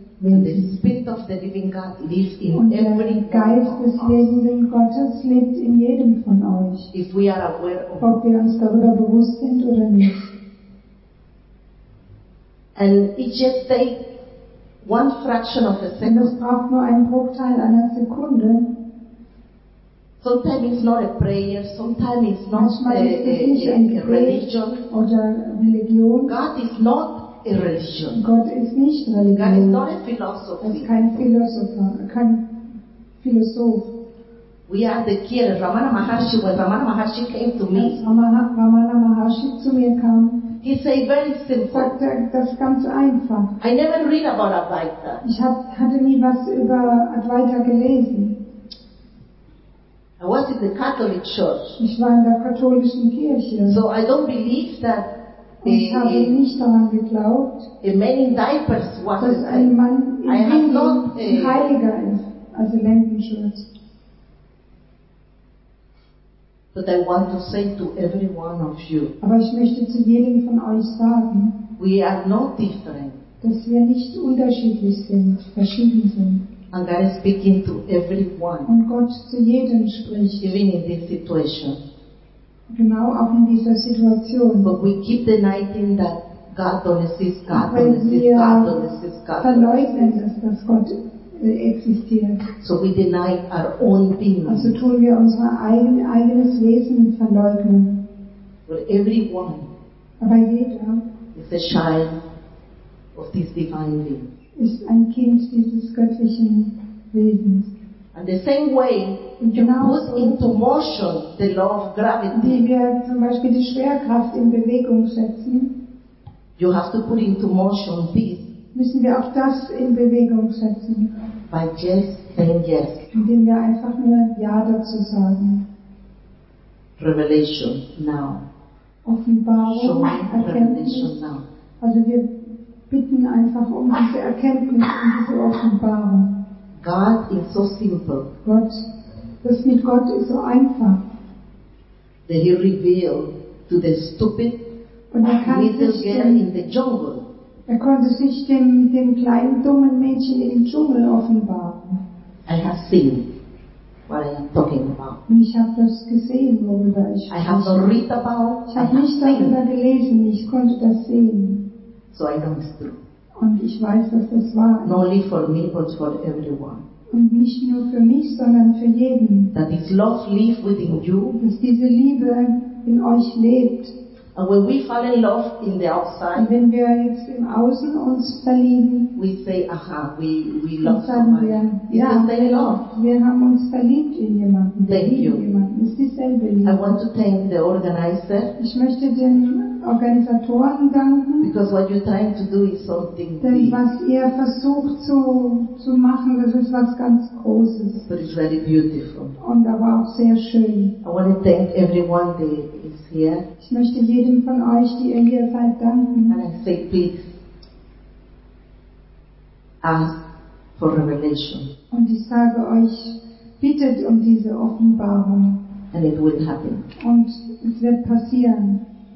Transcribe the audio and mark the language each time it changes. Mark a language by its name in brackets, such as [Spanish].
[English] And the Spirit of the Living God lives in every [German] Geist des lebenden Gottes lebt in jedem von euch. [English] If we are aware of [German] ob wir uns darüber bewusst sind oder nicht. [English] And it just takes one fraction of a second. [German] Und es braucht nur einen Bruchteil einer Sekunde. [English] Sometimes it's not a prayer, sometimes it's not a religion. God is not religion. [German] Gott ist nicht Religion. [English] God is not a philosophy. [German] Er ist kein Philosopher, kein Philosoph. [English] We are the Kira. Ramana Maharshi, when Ramana Maharshi came to me, [German] Ramana Maharshi zu mir kam, [English] he said very simple. [German] Sagte, das ganz einfach. [English] I never read about Advaita. [German] Ich hatte nie was über Advaita gelesen. [English] I was in the Catholic Church. [German] Ich war in der katholischen Kirche. [English] So I don't believe that. [German] Ich habe nicht daran geglaubt, [English] a man in diapers was [German] dass ein Mann in Windeln heiliger ist als in Lendenschutz. [English] But I want to say to every one of you, [German] aber ich möchte zu jedem von euch sagen, [English] we are not different. [German] Dass wir nicht unterschiedlich sind, verschieden sind. [English] And God is speaking to everyone. [German] Und Gott zu jedem spricht. [English] Even in this situation. [German] Genau, auch in dieser Situation. [English] But we keep denying that God don't exist, God don't exist, God don't exist, God don't [German] exist. Verleugnen, dass Gott existiert. [English] So we deny our own being. [German] Also tun wir unser eigenes Wesen verleugnen. [English] But everyone. [German] Aber jeder. [English] Is a child of this divine being. [German] Ist ein Kind dieses göttlichen Wesens. [English] And the same way [German] genau [English] you put into motion the law of gravity. [German] Wie wir zum Beispiel die Schwerkraft in Bewegung setzen, [English] you have to put into motion this. [German] Müssen wir auch das in Bewegung setzen. [English] By just saying yes. [German] Indem wir einfach nur Ja dazu sagen. [English] Revelation now. [German] Offenbarung. [English] Show me revelation now. [German] Also wir bitten einfach um diese Erkenntnis und diese Offenbarung. [English] God is so simple. [German] Gott, das mit Gott ist so einfach. [English] That he revealed to the stupid little girl in the jungle. [German] Er konnte sich dem kleinen dummen Mädchen im Dschungel offenbaren. [English] I have seen what I am talking about. [German] Und ich habe das gesehen, worüber ich [English] spreche. I have not read about. [German] Ich habe nicht darüber gelesen. Ich konnte das sehen. [English] So I know it's true. [German] Und ich weiß, dass das wahr ist. [English] Not only for me, but for everyone. [German] Und nicht nur für mich, sondern für jeden. [English] That this love lives within you. [German] Dass diese Liebe in euch lebt. [English] And when we fall in love in the outside, [German] und wenn wir jetzt im Außen uns verlieben, [English] we say, aha, we love [German] sagen [English] someone. [German] Wir, ja, [English] the same love. [German] Wir haben uns verliebt in jemanden. [English] Thank you. [German] Jemanden. Es ist dieselbe Liebe. [English] I want to thank the organizer. [German] Ich möchte den Organisatoren danken. [English] Because what you're trying to do is something [German] denn [English] big. [German] Was ihr versucht zu machen, das ist was ganz Großes. [English] But it's very beautiful. [German] Und aber auch sehr schön. [English] I want to thank everyone that is here. [German] Ich möchte jedem von euch, die ihr hier seid, danken. [English] And I say please ask for revelation. [German] Und ich sage euch, bittet um diese Offenbarung. [English] And it will happen. [German] Und es wird passieren.